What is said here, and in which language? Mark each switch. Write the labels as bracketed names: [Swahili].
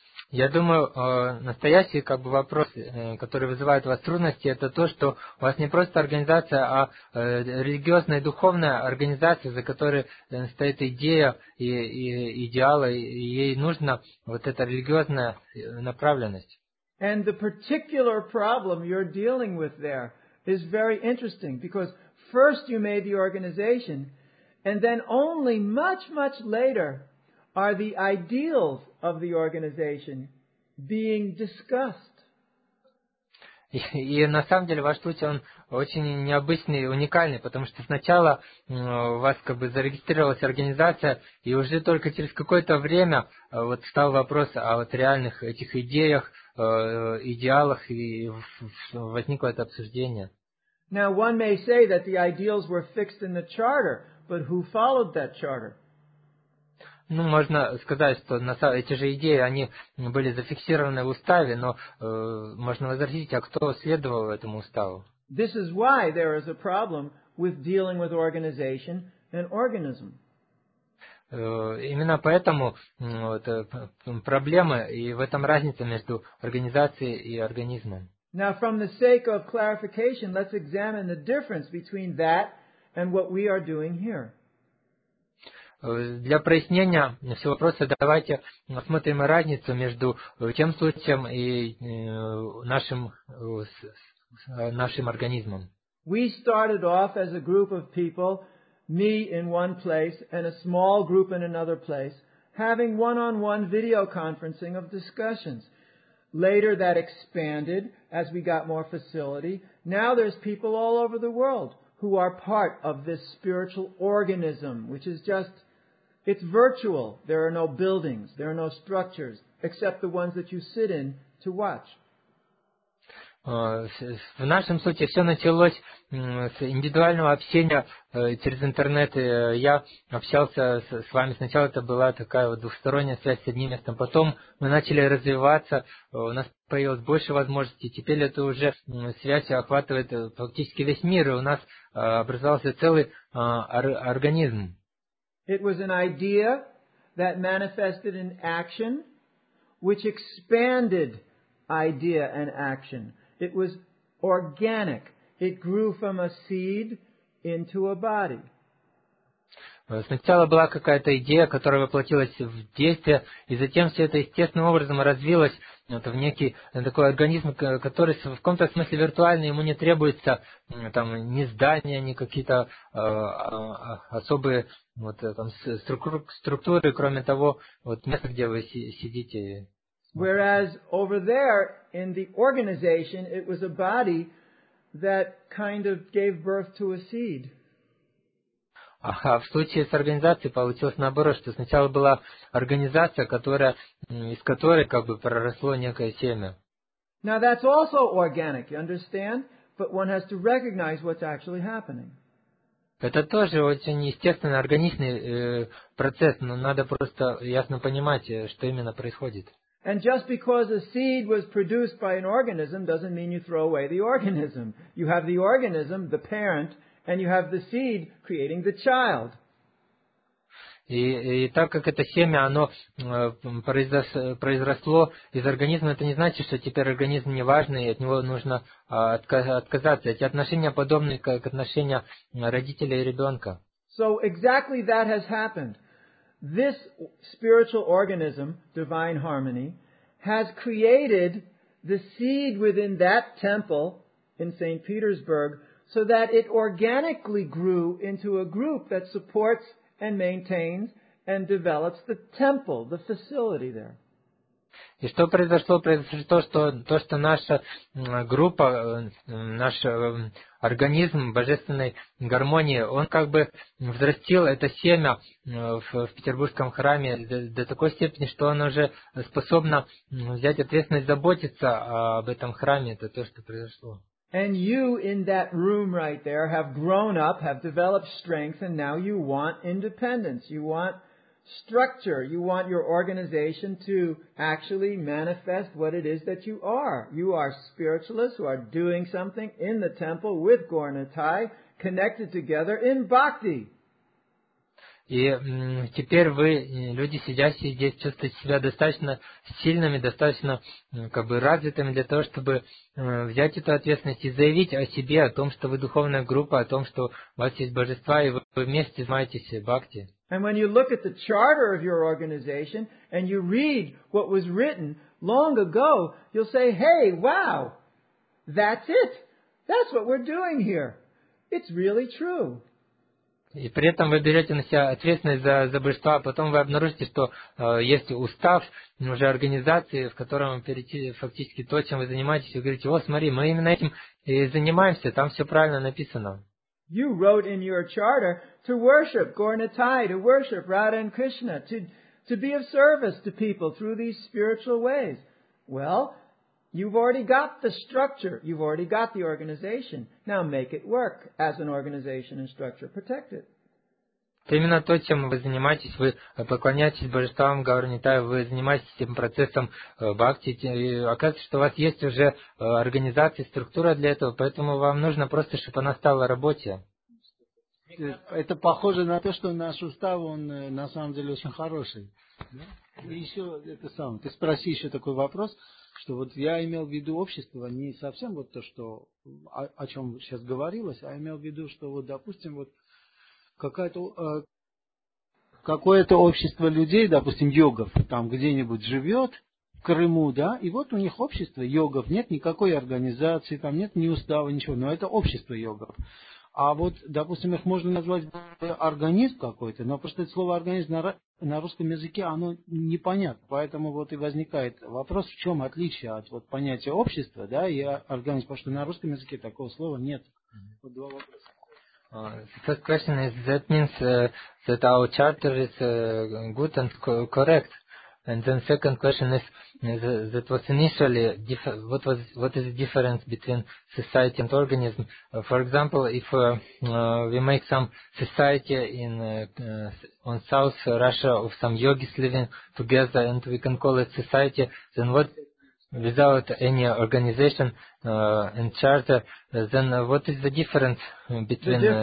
[Russian] Я думаю, настоящий как бы вопрос, который вызывает у вас трудности, это то, что у вас не просто организация, а религиозная и духовная организация, за которой стоит идея и идеалы, и ей нужна вот эта религиозная направленность. [English] And the particular problem you're dealing with there is very interesting, because first you made the organization, and then only much, much later are the ideals of the organization being discussed. [Russian] И на самом деле ваш случай он очень необычный и уникальный, потому что сначала у вас как бы зарегистрировалась организация, и уже только через какое-то время вот стал вопрос о вот реальных этих идеях, идеалах, и возникло это обсуждение. [English] Now one may say that the ideals were fixed in the charter, but who followed that charter? [Russian] Ну, можно сказать, что эти же идеи, они были зафиксированы в уставе, но можно возразить, а кто следовал этому уставу? [English] This is why there is a problem with dealing with organization and organism. [Russian] Именно поэтому вот, проблемы и в этом разница между организацией и организмом. [English] Now, from the sake of clarification, let's examine the difference between that and what we are doing here. [Russian] Для прояснения всего вопроса давайте посмотрим разницу между тем случаем и нашим организмом. [English] We started off as a group of people, me in one place and a small group in another place, having one-on-one video conferencing of discussions. Later that expanded as we got more facility. Now there's people all over the world who are part of this spiritual organism, which is just... It's virtual. There are no buildings. There are no structures, except the ones that you sit in to watch. [Russian] В нашем случае все началось с индивидуального общения через интернет. Я общался с вами. Сначала это была такая вот двухсторонняя связь с одним местом. Потом мы начали развиваться. У нас появилось больше возможностей. Теперь это уже связь охватывает практически весь мир. И у нас образовался целый организм. [English] It was an idea that manifested in action, which expanded idea and action. It was organic. It grew from a seed into a body. [Russian] Сначала была какая-то идея, которая воплотилась в действие, и затем все это естественным образом развилось вот, в некий такой организм, который в каком-то смысле виртуальный, ему не требуется там, ни здания, ни какие-то особые вот, там, структуры, кроме того, вот, места, где вы сидите. [English] Whereas over there in the organization it was a body that kind of gave birth to a seed. [Russian] А в случае с организацией получилось наоборот, что сначала была организация, которая, из которой как бы проросло некое семя. [English] Now that's also organic, you understand? But one has to recognize what's actually happening. [Russian] Это тоже очень естественный, органичный процесс, но надо просто ясно понимать, что именно происходит. [English] And just because a seed was produced by an organism doesn't mean you throw away the organism. You have the organism, the parent, and you have the seed creating the child. [Russian] И так как это семя, оно произросло из организма, это не значит, что теперь организм не важный, и от него нужно отказаться. Эти отношения подобны как отношения родителя и ребенка. [English] So exactly that has happened. This spiritual organism, Divine Harmony, has created the seed within that temple in St. Petersburg so that it organically grew into a group that supports and maintains and develops the temple, the facility there. [Russian] И что произошло? Произошло то, что наша группа, наш организм божественной гармонии, он как бы взрастил это семя в петербургском храме до такой степени, что оно уже способно взять ответственность, заботиться об этом храме. Это то, что произошло. [English] And you in that room right there have grown up, have developed strength, and now you want independence. You want structure. You want your organization to actually manifest what it is that you are. You are spiritualists who are doing something in the temple with Gornatai, connected together in bhakti. [Russian] И теперь вы, люди, сидящие здесь, чувствуете себя достаточно сильными, достаточно как бы развитыми для того, чтобы взять эту ответственность и заявить о себе, о том, что вы духовная группа, о том, что у вас есть божества, и вы вместе занимаетесь бхакти. [English] And when you look at the charter of your organization and you read what was written long ago, you'll say, hey, wow, that's it. That's what we're doing here. It's really true. [Russian] И при этом вы берете на себя ответственность за божества, а потом вы обнаружите, что есть устав уже организации, в котором фактически то, чем вы занимаетесь, вы говорите, о, смотри, мы именно этим и занимаемся, там все правильно написано. [English] You wrote in your charter to worship Gornatai, to worship Radha and Krishna, to be of service to people through these spiritual ways. Well, you've already got the structure. You've already got the organization. Now make it work as an organization and structure. Protect it. [Russian] Это именно то, чем вы занимаетесь. Вы поклоняетесь божествам Гаурнитая, вы занимаетесь этим процессом бхакти. Оказывается, что у вас есть уже организация, структура для этого, поэтому вам нужно просто, чтобы она стала работе. Это похоже на то, что наш устав, он на самом деле очень хороший. И еще это самое. Ты спроси еще такой вопрос, что вот я имел в виду общество, не совсем вот то, что о чем сейчас говорилось, а имел в виду, что вот, допустим, вот какое-то общество людей, допустим, йогов там где-нибудь живет, в Крыму, да, и вот у них общество йогов, нет никакой организации, там нет ни устава, ничего, но это общество йогов. А вот, допустим, их можно назвать организм какой-то, но просто это слово «организм» на русском языке, оно непонятно. Поэтому вот и возникает вопрос, в чем отличие от вот, понятия общества, да, и организм, потому что на русском языке такого слова нет. Вот два вопроса. [English] First question is, that means that our charter is good and correct. And then second question is, that was initially, what is the difference between society and organism? For example, if we make some society in on South Russia of some yogis living together and we can call it society, then what, without any organization and charter, then what is the difference between...